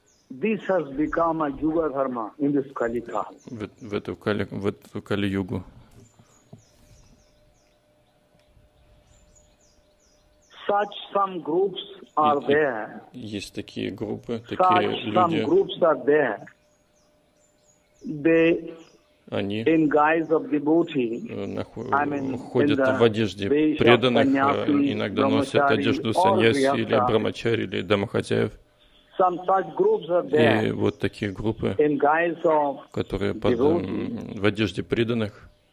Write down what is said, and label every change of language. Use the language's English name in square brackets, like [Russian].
[English] This has become a yuga dharma in this Kali Yuga. [Russian] В эту Кали-югу. [English] Such some groups are there. [Russian] Есть такие группы, такие люди. [English] Such some groups are there. They in guise of devotee. [Russian] Ходят в одежде преданных, иногда носят одежду саньяси или брамачари или домохозяев. И вот такие группы, которые в одежде преданных,